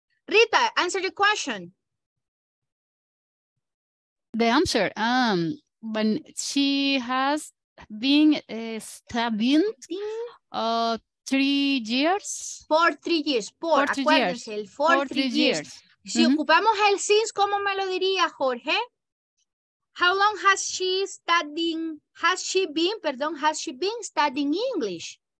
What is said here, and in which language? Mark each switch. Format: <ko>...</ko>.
<en>Rita, answer the question. The answer, when she has been studying 3 years. For three years.</en> <es>Si ocupamos el since, ¿cómo me lo diría, Jorge?</es> <en>How long has she studying, has she been studying English?</en>